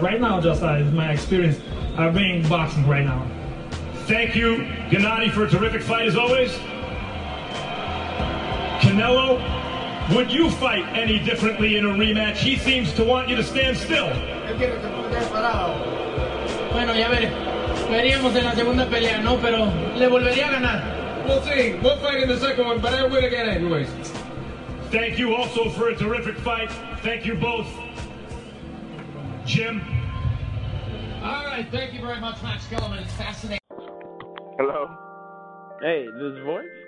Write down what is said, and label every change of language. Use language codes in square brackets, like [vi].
[en] Right now, just my experience, I bring boxing right now. Thank you, Gennady, for a terrific fight as always. Canelo, would you fight any differently in a rematch? He seems to want you to stand still. [es] Bueno, ya veríamos en la segunda pelea, ¿no? Pero le volvería a ganar. [en] We'll see. We'll fight in the second one, but I win again anyways. Thank you also for a terrific fight. Thank you both. Jim. All right. Thank you very much, Max Kellerman. It's fascinating. Hello? Hey, this is Voice?